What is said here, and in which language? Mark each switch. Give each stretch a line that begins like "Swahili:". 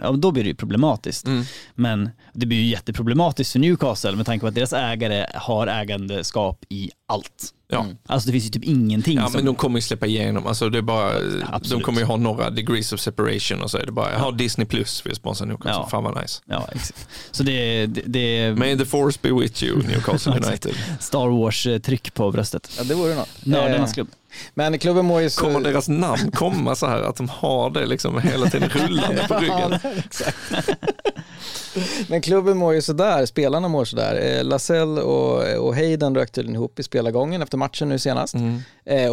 Swedish: Ja, då blir det ju problematiskt. Mm. Men det blir ju jätteproblematiskt för Newcastle med tanke på att deras ägare har ägandeskap i allt. Ja. Alltså det finns ju typ ingenting. Ja, men de kommer ju släppa igenom. Alltså det är bara, ja, de kommer ju ha några
English: degrees of separation
Swedish: och så är det bara, ja, Disney Plus vill sponsra Newcastle. Ja. Fan vad nice. Ja, exakt. Så det
English: may the force be with you, Newcastle United.
Swedish: Star Wars-tryck på bröstet. Ja, det vore något. Nördarnas klubb. Men klubben mår ju så... Kommer deras namn komma så här att de har det liksom hela tiden rullande på ryggen? Men klubben mår ju så där, spelarna mår så där. Lassell och Hayden rökte ihop i spelargången efter matchen nu senast. Mm.